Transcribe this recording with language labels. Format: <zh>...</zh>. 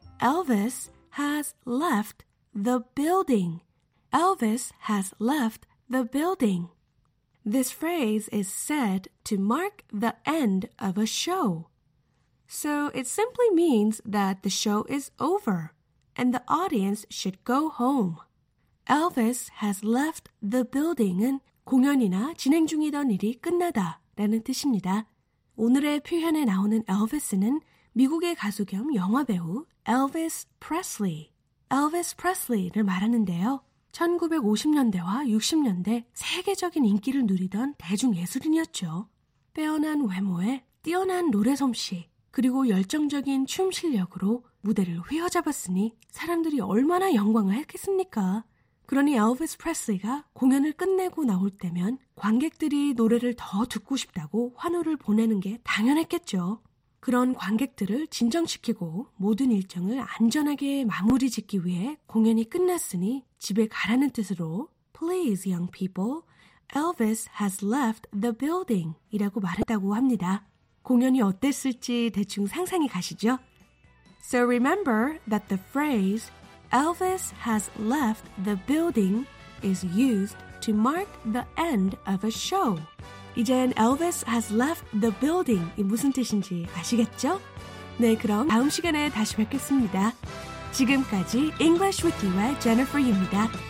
<en>Elvis has left the building. Elvis has left the building. This phrase is said to mark the end of a show. So it simply means that the show is over and the audience should go home. Elvis has left the building</en> <ko>은 공연이나 진행 중이던 일이 끝나다 라는 뜻입니다. 오늘의 표현에 나오는 Elvis는 미국의 가수 겸 영화 배우 Elvis Presley. Elvis Presley를 말하는데요. 1950년대와 60년대 세계적인 인기를 누리던 대중예술인이었죠. 빼어난 외모에 뛰어난 노래 솜씨 그리고 열정적인 춤 실력으로 무대를 휘어잡았으니 사람들이 얼마나 영광을 했겠습니까? 그러니 엘비스 프레슬리가 공연을 끝내고 나올 때면 관객들이 노래를 더 듣고 싶다고 환호를 보내는 게 당연했겠죠. 그런 관객들을 진정시키고 모든 일정을 안전하게 마무리 짓기 위해 공연이 끝났으니 집에 가라는 뜻으로</ko> <en>Please, young people, Elvis has left the building</en> <ko>이라고 말했다고 합니다. 공연이 어땠을지 대충 상상이 가시죠?</ko> <en>So remember that the phrase Elvis has left the building is used to mark the end of a show.</en> <ko>이젠</ko> <en>Elvis has left the building</en> <ko>이 무슨 뜻인지 아시겠죠? 네, 그럼 다음 시간에 다시 뵙겠습니다. 지금까지 English with You의 Jennifer입니다.</ko>